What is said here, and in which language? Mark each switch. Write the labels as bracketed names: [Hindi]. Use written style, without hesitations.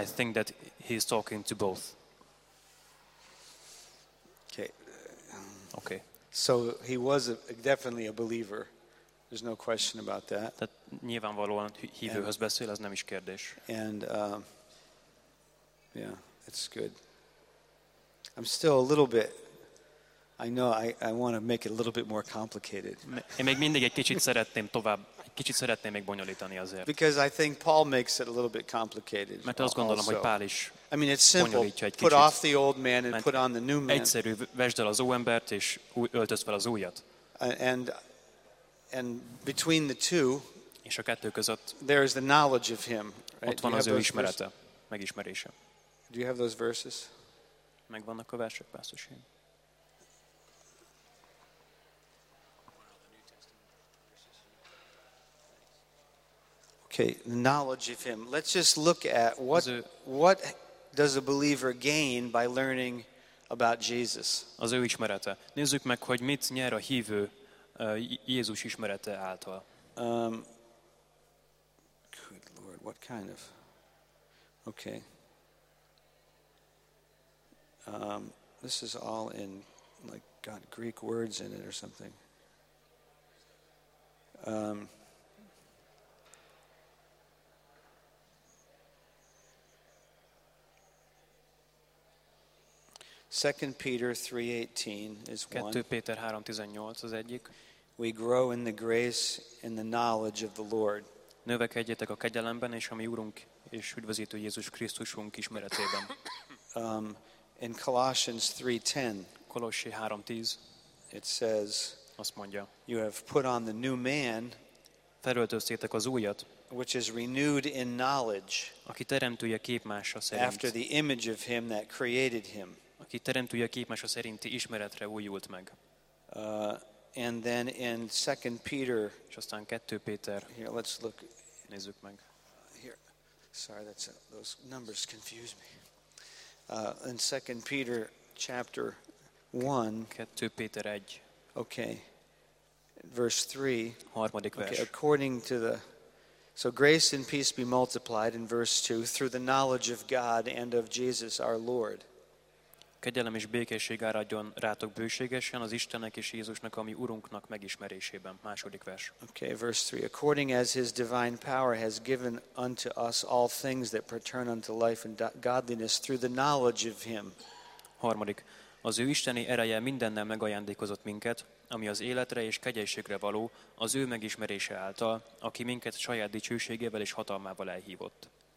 [English] I think that he's talking to both. Okay. So he was definitely a believer. There's no question about that. [Hungarian] Tehát nyilvánvalóan hívőhöz beszél, ez nem is kérdés. [English] And yeah, it's good. I'm still a little bit, I know I want to make it a little bit more complicated. [Hungarian] Én még mindig egy kicsit szeretném tovább, egy kicsit szeretném még bonyolítani azért. [English] Because I think Paul makes it a little bit complicated. [Hungarian] Mert azt gondolom, hogy Pál is. [English] I mean, it's simple. Put off the old man and put on the new man. [Hungarian] Egyszerű, vesd el az új embert és öltözd fel az újat. [English] And between the two, [Hungarian] és a kettő között, [English] there is the knowledge of him. [Hungarian] Ott van az ő ismerete, megismerése. [English] Do you have those verses? [Hungarian] Megvannak a versek, pásztorsém. [English] Okay, the knowledge of him. Let's just look at what does a believer gain by learning about Jesus? [Hungarian] Az ő ismerete. Nézzük meg, hogy mit nyer a hívő Jézus ismerete által. [English] Good Lord, what kind of... Okay. This is all in, like, got Greek words in it or something. Second Peter 3:18 is one. [Hungarian] 2 Péter 3:18 az egyik. [English] We grow in the grace and the knowledge of the Lord. [Hungarian] Növekedjetek a kegyelemben és a mi Úrunk és üdvözítő Jézus Krisztusunk ismeretében. [English] In Colossians 3:10, [Hungarian] Kolossi 3:10, [English] it says, [Hungarian] azt mondja, [English] you have put on the new man, [Hungarian] felöltöztétek az újat, [English] which is renewed in knowledge, [Hungarian] aki teremtője képmása szerint, [English] after the image of him that created him, [Hungarian] aki teremtője képmása szerinti ismeretre újult meg. [English] And then in 2 Peter, [Hungarian] és aztán 2 Péter, [English] here, let's look, [Hungarian] nézzük meg. [English] Here, sorry, that's those numbers confuse me. In 2 Peter chapter 1, [Hungarian] 2 Péter 1, [English] okay, verse 3, [Hungarian] harmadik vers. [English] Okay, according to the, so grace and peace be multiplied in verse 2, through the knowledge of God and of Jesus our Lord. [Hungarian] Kegyelem és békesség áradjon rátok bőségesen az Istennek és Jézusnak, ami Urunknak megismerésében. Második vers. [English] Okay, verse 3. According as his divine power has given unto us all things that pertain unto life and godliness through the knowledge of him. [Hungarian] Harmadik. Az ő isteni ereje mindennel megajándékozott minket, ami az életre és kegyességre való, az ő megismerése által, aki minket saját dicsőségével és hatalmával elhívott.